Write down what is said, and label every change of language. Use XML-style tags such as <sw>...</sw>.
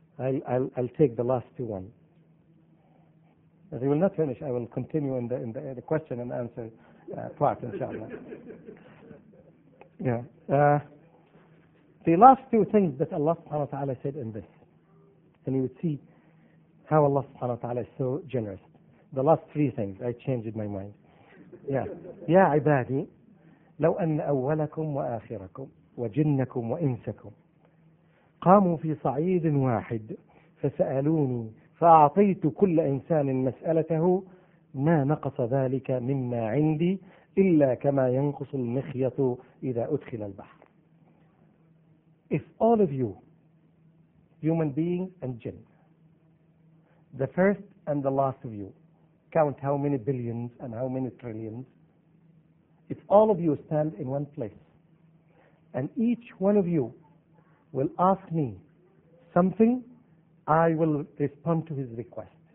<en>I'll take the last two ones. As we will not finish, I will continue in the question and answer part, inshallah. Yeah. The last two things that Allah subhanahu wa ta'ala said in this, and you would see how Allah subhanahu wa ta'ala is so generous. The last three things, I changed my mind. Yeah.</en> <ar>Ya ibadi, لو أن أولكم وآخركم وجنكم وإنسكم قاموا في صعيد واحد فسألوني فأعطيت كل إنسان مسألته ما نقص ذلك مما عندي إلا كما ينقص المخيط إذا أدخل البحر.</ar> <en>If all of you, human being and jinn, the first and the last of you, count how many billions and how many trillions, if all of you stand in one place and each one of you will ask me something, I will respond to his request.</en>